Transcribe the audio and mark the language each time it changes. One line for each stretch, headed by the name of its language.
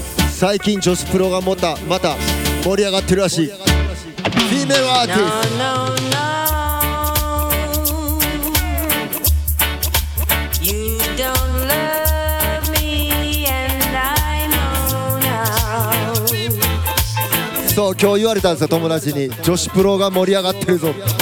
Japanese: 最近女子プロがまた盛り上がってるらしい。フィメールアーティスト。
English: No, no, no. You don't love me and I know now.
Japanese: そう、今日言われたんですよ、友達に。女子プロが盛り上がってるぞ。